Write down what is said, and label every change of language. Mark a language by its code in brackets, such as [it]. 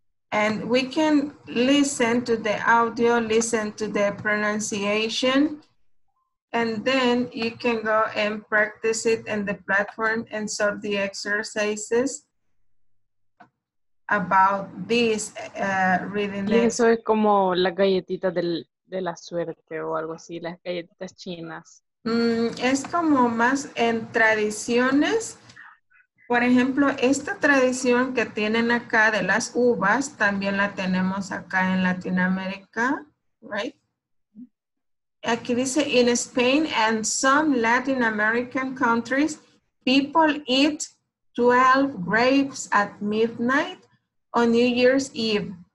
[en] And we can listen to the audio, listen to the pronunciation, and then you can go and practice it in the platform and solve the exercises about this reading. [es] Y eso es como las galletitas de la suerte o algo así, las galletitas chinas. Es como más en tradiciones. Por ejemplo, esta tradición que tienen acá de las uvas, también la tenemos acá en Latinoamérica, [en] right? [es] Aquí dice, [en] in Spain and some Latin American countries, people eat 12 grapes at midnight on New Year's Eve.